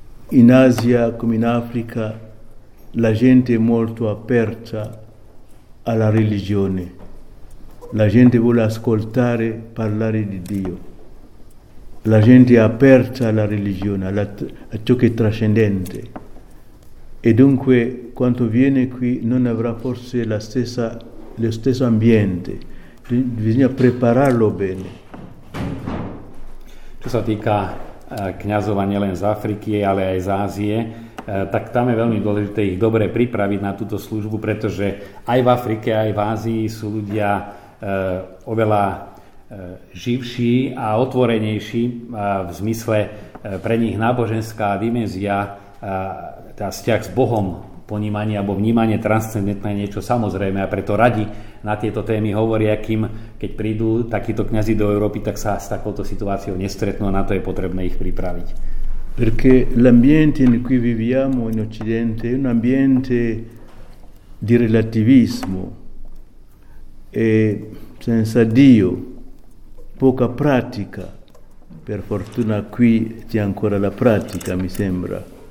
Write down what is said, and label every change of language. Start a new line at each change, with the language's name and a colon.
Italian: in Asia come in Africa la gente è molto aperta alla religione, la gente vuole ascoltare parlare di Dio, la gente è aperta alla religione, a ciò che è trascendente, e dunque quando viene qui non avrà forse lo stesso ambiente, bisogna prepararlo bene.
Slovak: Čo sa týka kňazov nielen z Afriky, ale aj z Ázie, tak tam je veľmi dôležité ich dobre pripraviť na túto službu, pretože aj v Afrike, aj v Ázii sú ľudia oveľa živší a otvorenejší v zmysle pre nich náboženská dimenzia, tá vzťah s Bohom, ponímanie alebo vnímanie transcendentné je niečo samozrejme a preto radi na tieto témy hovoria, kým keď prídu takíto kňazi do Európy, tak sa s takouto situáciou nestretnú a na to je potrebné ich pripraviť.
Italian: Perché l'ambiente in cui viviamo in Occidente è un ambiente di relativismo e senza Dio, poca pratica, per fortuna qui c'è ancora la pratica, mi sembra.